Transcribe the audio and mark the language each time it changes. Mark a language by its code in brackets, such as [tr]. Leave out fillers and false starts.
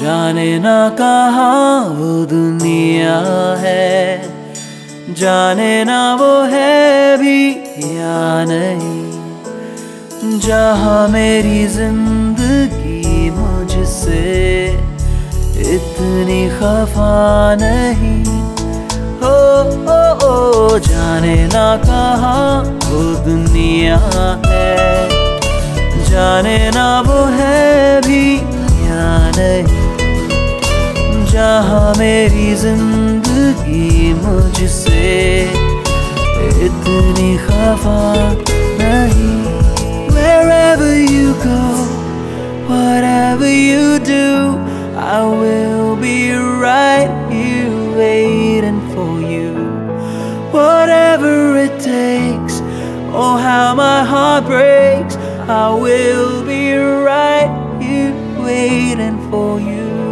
[hi] Jaane na kahan wo duniya hai, jaane na wo hai bhi ya nahi, जहाँ मेरी जिंदगी मुझसे इतनी खफा नहीं। हो ओ, ओ, ओ, जाने ना कहाँ वो दुनिया है, जाने ना वो है भी या नहीं, जहाँ मेरी जिंदगी मुझसे इतनी खफा नहीं। [en] Wherever you go, whatever you do, I will be right here waiting for you. Whatever it takes, or how my heart breaks, I will be right here waiting for you.